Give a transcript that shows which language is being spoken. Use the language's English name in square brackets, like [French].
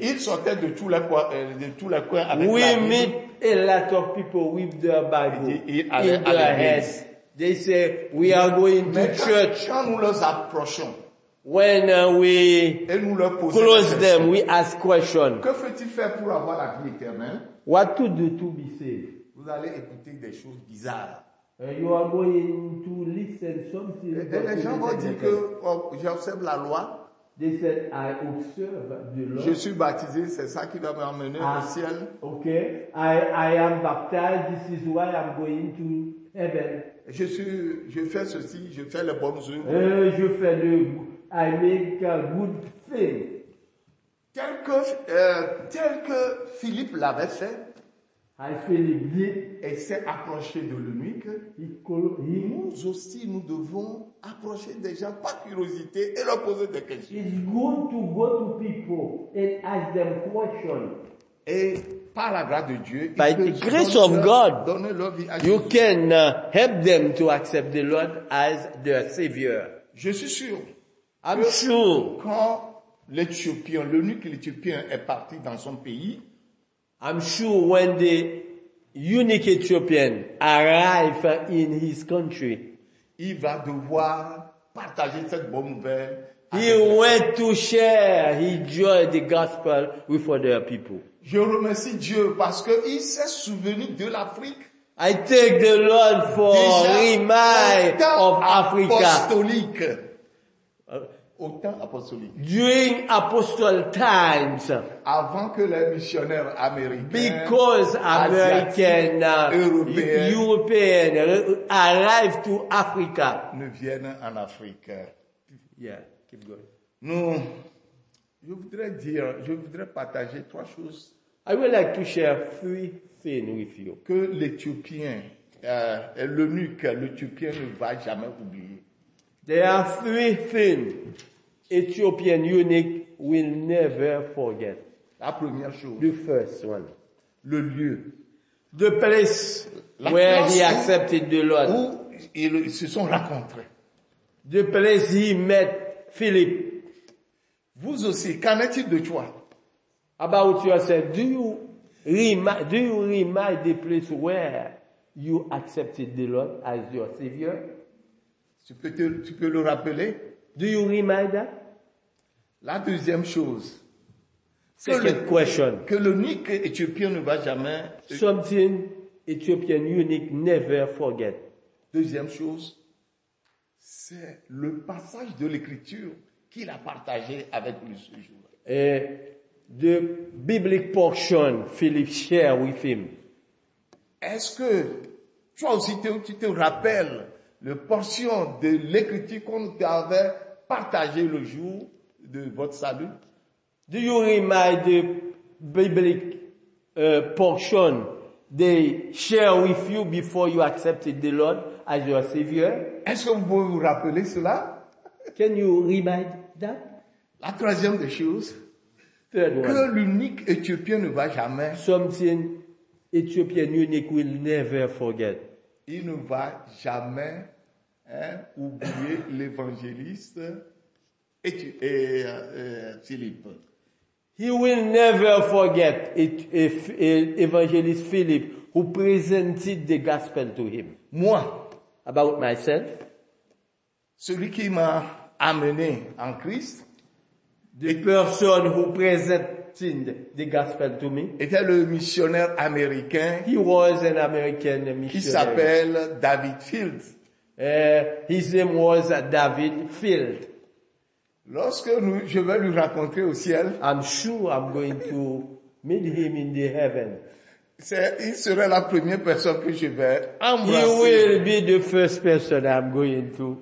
[French] Ils sortaient de tous les coins avec la Bible. [English] A lot of people with their Bible in their heads. They say, we are going to church. [French] Quand nous les approchons, [English] when we close them, we ask questions. [French] Que faut-il faire pour avoir la vie éternelle? [English] What to do to be saved? [French] Vous allez écouter des choses bizarres. [English] You are going to listen something. [French] Et les gens vont dire que j'observe la loi. [English] They said, I observe the Lord. [French] Je suis baptisé, c'est ça qui va m'emmener au ciel. [English] Okay, I am baptized. This is why I'm going to heaven. [French] Je fais ceci, je fais les bonnes œuvres. Je fais le, [English] I make a good thing. [French] Tel que Philippe l'avait fait. [English] As Philip did, [French] et s'est approché de l'eunuque, nous aussi nous devons approcher des gens par curiosité et leur poser des questions. [English] It's good to go to people and ask them questions. [French] Et par la grâce de Dieu, [English] by the grace of God, [French] donner leur vie à [English] Jésus. You can help them to accept the Lord as their Savior. [French] Je suis sûr. [English] I'm sure. [French] Quand l'Éthiopien, l'Éthiopien est parti dans son pays. [English] I'm sure when the eunuque Ethiopian arrive in his country, [French] il va devoir partager cette bonne nouvelle. [English] He went to share his joy, the gospel, with other people. [French] Je remercie Dieu parce que il s'est souvenu de l'Afrique. [English] I thank the Lord for remind of Africa. [French] Au temps apostolique. [English] During apostle times. [French] Avant que les missionnaires américains. [English] Because American, European arrive to Africa. [French] Ne viennent en Afrique. [English] Yeah, keep going. [French] Nous, je voudrais partager trois choses. [English] I would like to share three things with you. [French] Que l'Éthiopien, l'eunuque, l'Éthiopien ne va jamais oublier. [English] There are three things. Ethiopian eunuque will never forget. [French] La première chose. [English] The first one. [French] Le lieu. [English] The place where he accepted the Lord. [French] Où ils se sont rencontrés. [English] The place he met Philip. [French] Vous aussi, qu'en est-il de toi? [English] About yourself, do you remind the place where you accepted the Lord as your Savior? [French] Tu peux le rappeler? [English] Do you remind that? [French] La deuxième chose. [English] Second question. [French] Que le nique éthiopien ne va jamais. [English] Something Ethiopian eunuch never forget. [French] Deuxième chose, c'est le passage de l'écriture qu'il a partagé avec lui ce jour-là. [English] Et the biblical portion Philip shared with him. [French] Est-ce que toi aussi tu te rappelles le portion de l'écriture qu'on t'avait partagé le jour de votre salut? [English] Do you remind the biblical portion they share with you before you accepted the Lord as your savior? [French] Est-ce que vous pouvez vous rappeler cela? [English] Can you remind that? [French] La troisième des choses, [English] third [French] que [English] one. [French] L'unique Éthiopien ne va jamais. [English] Something Ethiopian eunuch will never forget. [French] Il ne va jamais oublier l'évangéliste Philippe. [English] He will never forget evangelist Philip who presented the gospel to him. [French] Moi, [English] about myself, [French] celui qui m'a amené en Christ, [English] the person who presented the gospel to me, [French] était le missionnaire américain. [English] He was an American missionary. [French] Qui s'appelle David Field. [English] His name was David Field. [French] Lorsque nous, je vais lui rencontrer au ciel. [English] I'm sure I'm going to meet him in the heaven. [French] C'est, il sera la première personne que je vais embrasser. [English] He will be the first person I'm going to.